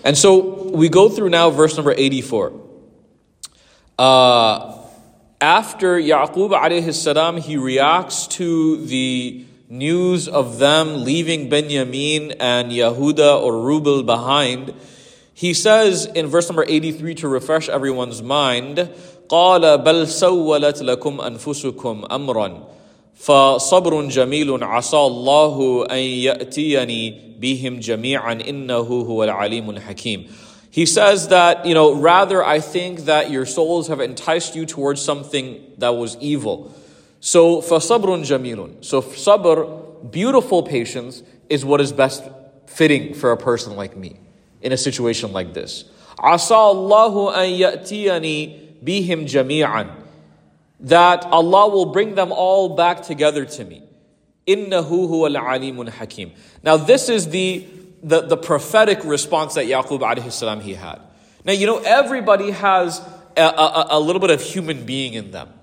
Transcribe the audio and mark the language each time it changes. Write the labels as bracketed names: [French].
[English] And so we go through now verse number 84. After Ya'qub alayhi salam, he reacts to the news of them leaving Benjamin and Yehuda or Reuben behind. He says in verse number 83, to refresh everyone's mind, [Arabic] قَالَ بَلْ سَوَّلَتْ لَكُمْ أَنفُسُكُمْ أَمْرًا فَصَبْرٌ جَمِيلٌ عَسَى اللَّهُ أَن يَأْتِيَنِي بِهِمْ جَمِيعًا إِنَّهُ هُوَ الْعَلِيمُ الْحَكِيمُ. [English] He says that, you know, rather I think that your souls have enticed you towards something that was evil. [Arabic] So, فَصَبْرٌ جَمِيلٌ. [English] So, sabr, beautiful patience, is what is best fitting for a person like me in a situation like this. [Arabic] عَسَى اللَّهُ أَن يَأْتِيَنِي بِهِمْ جَمِيعًا. [English] That Allah will bring them all back together to me. [Arabic] إِنَّهُ هُوَ الْعَلِيمُ الْحَكِيمُ. [English] Now this is the prophetic response that Ya'qub alayhi salam he had. Now you know, everybody has a little bit of human being in them.